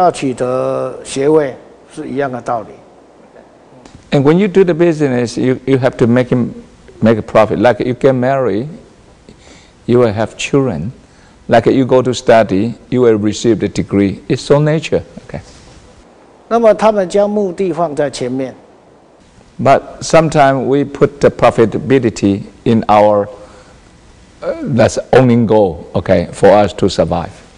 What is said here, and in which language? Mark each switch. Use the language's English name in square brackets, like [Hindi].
[Chinese] 做生意要赚钱的，就跟结婚、要生小孩，或是读书就要取得学位，是一样的道理。 [English] And when you do the business, you have to make him make a profit. Like you get married, you will have children. Like you go to study, you will receive the degree. It's so nature. Okay. [Chinese] 那么他们将目的放在前面。 [English] But sometimes we put the profitability in our that's only goal, okay, for us to survive.